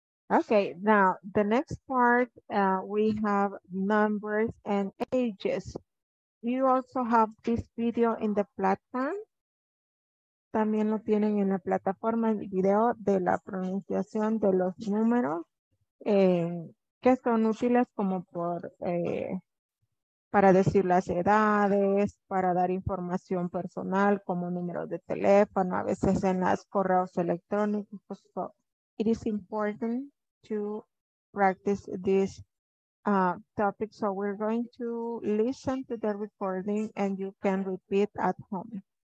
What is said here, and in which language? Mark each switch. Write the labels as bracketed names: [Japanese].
[English] Okay, now the next part, we have numbers and ages. You also have this video in the platform. [Spanish] También lo tienen en la plataforma el video de la pronunciación de los números que son útiles como por para decir las edades, para dar información personal como números de teléfono, a veces en los correos electrónicos. [English] So it is important to practice this topic. So we're going to listen to the recording and you can repeat at home.